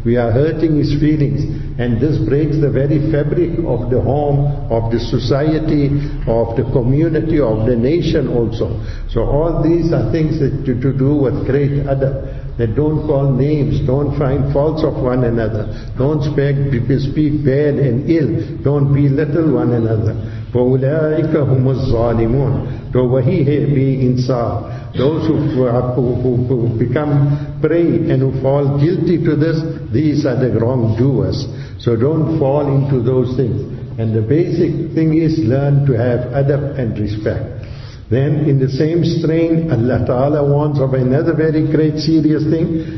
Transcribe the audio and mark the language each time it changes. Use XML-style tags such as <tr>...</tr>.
<en>We are hurting his feelings. And this breaks the very fabric of the home, of the society, of the community, of the nation also. So all these are things that to do with great adab. That don't call names, don't find faults of one another, don't speak bad and ill, don't belittle one another.</en> <ar>فَأُولَٰئِكَ هُمُ الظَّالِمُونَ</ar> <ur>تو وہی ہے بے انصاف.</ur> <en>Those who become prey and who fall guilty to this, these are the wrongdoers. So don't fall into those things. And the basic thing is learn to have adab and respect. Then in the same strain, Allah Ta'ala warns of another very great serious thing.</en>